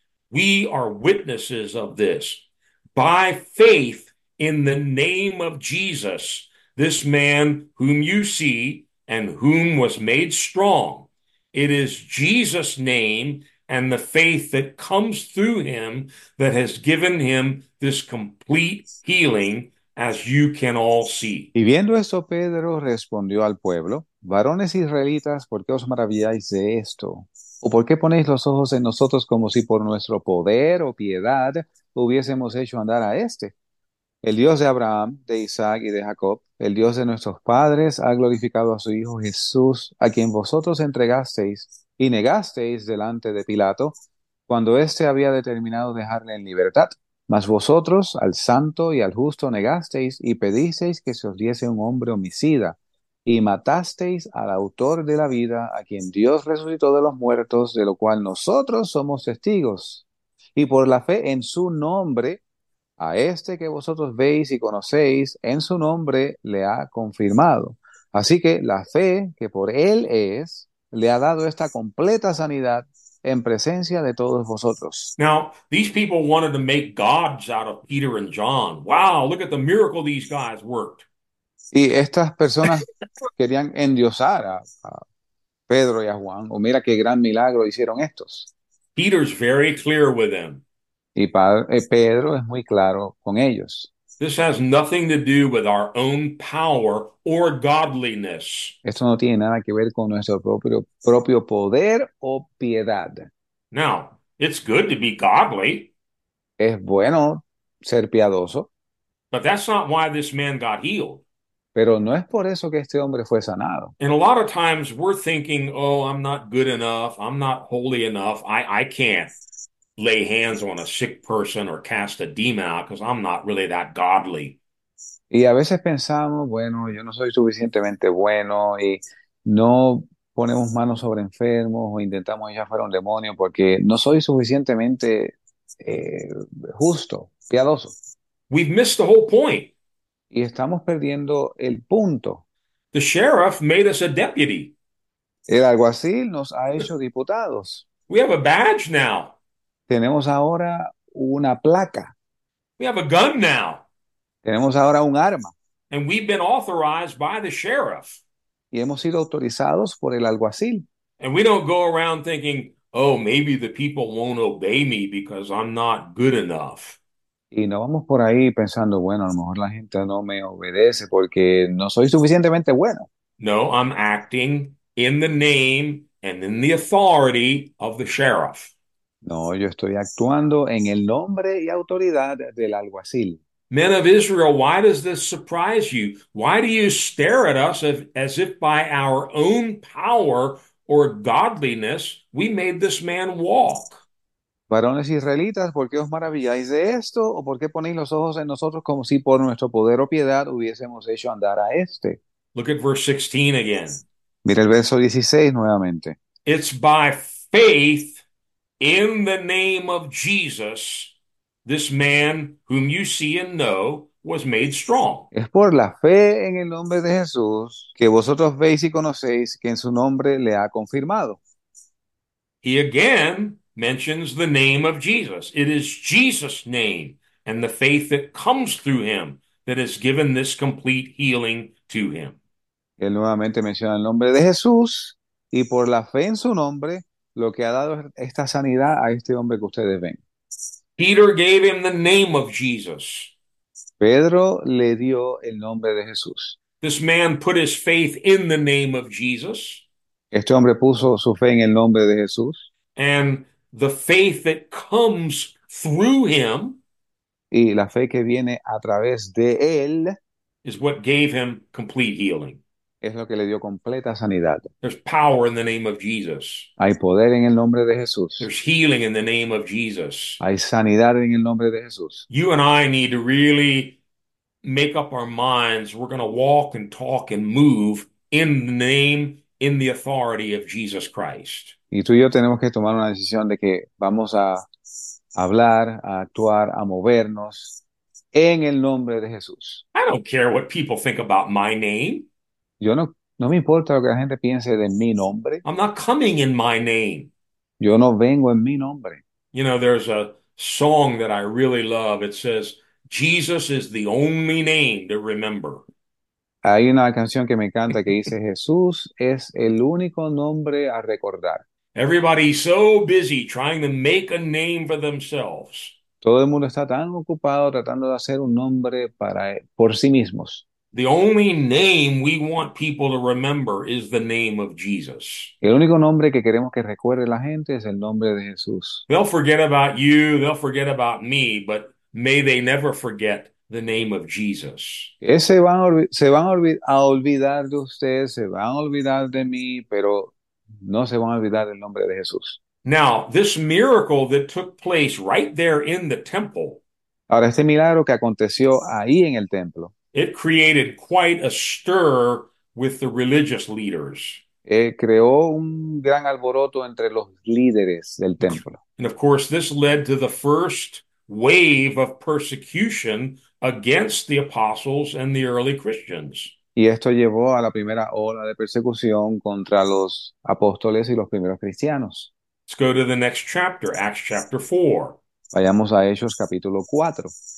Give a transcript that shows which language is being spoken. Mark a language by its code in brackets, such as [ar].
[en] We are witnesses of this. By faith in the name of Jesus, this man whom you see and whom was made strong, it is Jesus' name and the faith that comes through him that has given him this complete healing, as you can all see." [es] Y viendo esto, Pedro respondió al pueblo: Varones israelitas, ¿por qué os maravilláis de esto? ¿O por qué ponéis los ojos en nosotros como si por nuestro poder o piedad hubiésemos hecho andar a este? El Dios de Abraham, de Isaac y de Jacob, el Dios de nuestros padres, ha glorificado a su Hijo Jesús, a quien vosotros entregasteis y negasteis delante de Pilato, cuando éste había determinado dejarle en libertad. Mas vosotros al santo y al justo negasteis y pedisteis que se os diese un hombre homicida y matasteis al autor de la vida a quien Dios resucitó de los muertos, de lo cual nosotros somos testigos. Y por la fe en su nombre, a este que vosotros veis y conocéis, en su nombre le ha confirmado. Así que la fe que por él es, le ha dado esta completa sanidad en presencia de todos vosotros. [en] Now, these people wanted to make gods out of Peter and John. Wow, look at the miracle these guys worked. [es] Y estas personas querían endiosar a Pedro y a Juan, o mira qué gran milagro hicieron estos. [en] Peter's very clear with them. [es] Y Pedro es muy claro con ellos. [en] This has nothing to do with our own power or godliness. [es] Esto no tiene nada que ver con nuestro propio poder o piedad. [en] Now, it's good to be godly, [es] Es bueno ser piadoso. [en] but that's not why this man got healed. [es] Pero no es por eso que este hombre fue sanado. [en] And a lot of times we're thinking, "Oh, I'm not good enough. I'm not holy enough. I can't lay hands on a sick person or cast a demon out because I'm not really that godly." [es] Y a veces pensamos, bueno, yo no soy suficientemente bueno y no ponemos manos sobre enfermos o intentamos echar a un demonio porque no soy suficientemente justo, piadoso. [en] We've missed the whole point. [es] Y estamos perdiendo el punto. [en] The sheriff made us a deputy. [es] El alguacil nos ha hecho diputados. [en] We have a badge now. [es] Tenemos ahora una placa. [en] We have a gun now. [es] Tenemos ahora un arma. [en] And we've been authorized by the sheriff. [es] Y hemos sido autorizados por el alguacil. [en] And we don't go around thinking, oh, maybe the people won't obey me because I'm not good enough. [es] Y no vamos por ahí pensando, bueno, a lo mejor la gente no me obedece porque no soy suficientemente bueno. [en] No, I'm acting in the name and in the authority of the sheriff. [es] No, yo estoy actuando en el nombre y autoridad del alguacil. [en] Men of Israel, why does this surprise you? Why do you stare at us as if by our own power or godliness we made this man walk? [es] Varones israelitas, ¿por qué os maravilláis de esto? ¿O por qué ponéis los ojos en nosotros como si por nuestro poder o piedad hubiésemos hecho andar a este? [en] Look at verse 16 again. [es] Mira el verso 16 nuevamente. [en] It's by faith in the name of Jesus, this man whom you see and know was made strong. [es] Es por la fe en el nombre de Jesús que vosotros veis y conocéis que en su nombre le ha confirmado. [en] He again mentions the name of Jesus. It is Jesus' name and the faith that comes through him that has given this complete healing to him. [es] Él nuevamente menciona el nombre de Jesús y por la fe en su nombre, lo que ha dado esta sanidad a este hombre que ustedes ven. [en] Peter gave him the name of Jesus. [es] Pedro le dio el nombre de Jesús. [en] This man put his faith in the name of Jesus. [es] Este hombre puso su fe en el nombre de Jesús. [en] And the faith that comes through him [es] Y la fe que viene a través de él [en] is what gave him complete healing. [es] es lo que le dio completa sanidad. [en] There's power in the name of Jesus. [es] Hay poder en el nombre de Jesús. [en] There's healing in the name of Jesus. [es] Hay sanidad en el nombre de Jesús. [en] You and I need to really make up our minds. We're going to walk and talk and move in the name, in the authority of Jesus Christ. [es] Y tú y yo tenemos que tomar una decisión de que vamos a hablar, a actuar, a movernos en el nombre de Jesús. [en] I don't care what people think about my name. [es] Yo no me importa lo que la gente piense de mi nombre. [en] I'm not coming in my name. [es] Yo no vengo en mi nombre. [en] There's a song that I really love. It says, Jesus is the only name to remember. [es] Hay una canción que me encanta que dice, Jesús es el único nombre a recordar. [en] Everybody's so busy trying to make a name for themselves. [es] Todo el mundo está tan ocupado tratando de hacer un nombre para por sí mismos. [en] The only name we want people to remember is the name of Jesus. [es] El único nombre que queremos que recuerde la gente es el nombre de Jesús. [en] They'll forget about you, they'll forget about me, but may they never forget the name of Jesus. [es] Ese van se van a olvidar de ustedes, se van a olvidar de mí, pero no se van a olvidar del nombre de Jesús. [en] Now, this miracle that took place right there in the temple. [es] Ahora, este milagro que aconteció ahí en el templo [en] It created quite a stir with the religious leaders. [es] creó un gran alboroto entre los líderes del templo. [en] And of course, this led to the first wave of persecution against the apostles and the early Christians. [es] Y esto llevó a la primera ola de persecución contra los apóstoles y los primeros cristianos. [en] Let's go to the next chapter, Acts chapter 4. [es] Vayamos a Hechos capítulo 4.